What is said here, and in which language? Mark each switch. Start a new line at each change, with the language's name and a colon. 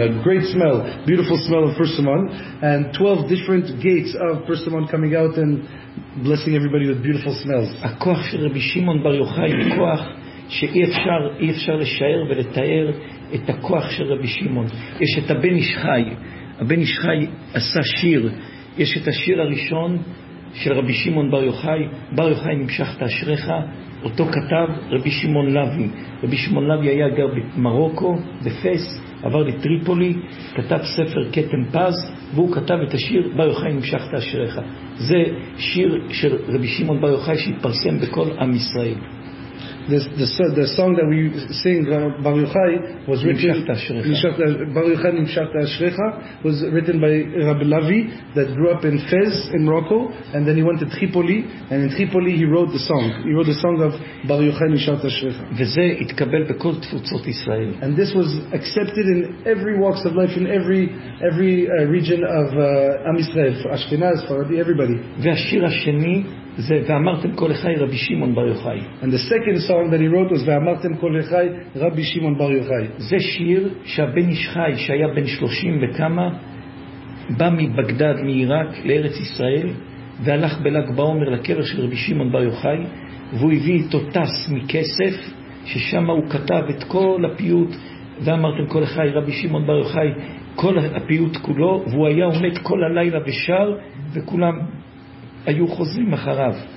English: a great smell, beautiful smell of persimmon, and 12 different gates of persimmon coming out and blessing everybody with beautiful smells.
Hebrew: הכוח של רבי שמעון בר יוחאי, כוח שאי אפשר לשער ולתאר את הכוח של רבי שמעון. יש את הבן איש חי, הבן איש חי עשה שיר, יש את השיר הראשון של רבי שמעון בר יוחאי, בר יוחאי נמשכת אשריך, אותו כתב רבי שמעון לוי. רבי שמעון לוי היה גר במרוקו, בפס, עבר לטריפולי, כתב ספר קטם פז, והוא כתב את השיר בר יוחאי נמשכת אשריך. זה שיר של רבי שמעון בר יוחאי שהתפרסם בכל עם ישראל.
English: The song that we sing Bar Yochai was written Bar Yochai Nimshach Ta'ashrecha was written by Rabbi Lavi that grew up in Fez in Morocco, and then he went to Tripoli, and in Tripoli he wrote the song of Bar Yochai Nimshach Ta'ashrecha,
Hebrew: וזה התקבל בכל תפוצות ישראל,
English: and this was accepted in every walks of life, in every region of Am Yisrael, Ashkenaz, Faradi, everybody.
Hebrew: והשיר השני זה ואמרתם כל החי רבי שמעון בר יוחאי.
English: And the second song that he wrote was
Hebrew: ואמרתם כל החי רבי שמעון בר יוחאי. זה שיר שהבן איש חי שהיה בן 30 וכמה בא מבגדד מעיראק לארץ ישראל והלך בלג בעומר לקבר של רבי שמעון בר יוחאי, והוא הביא איתו טס מכסף ששם הוא כתב את כל הפיוט ואמרתם כל החי רבי שמעון בר יוחאי, כל הפיוט כולו, והוא היה עומד כל הלילה ושר וכולם היו חוזרים אחריו.